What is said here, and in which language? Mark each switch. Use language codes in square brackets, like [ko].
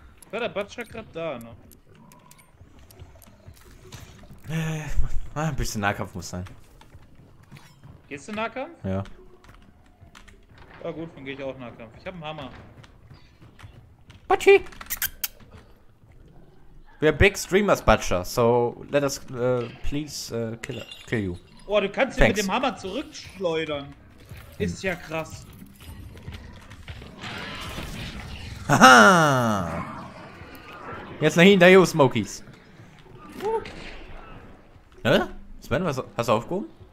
[de] War der Butcher gerade da, ne? Ein bisschen Nahkampf muss sein. Gehst du Nahkampf? Ja. Ja gut, dann gehe ich auch Nahkampf. Ich habe einen Hammer. Butchie! [en] We are big streamers, Butcher. So let us please kill you. [de] Oh, du kannst ihn mit dem Hammer zurückschleudern. Ist ja krass. Haha! Jetzt nach hinten, da you, Smokies. Hä? Sven, was hast du aufgehoben?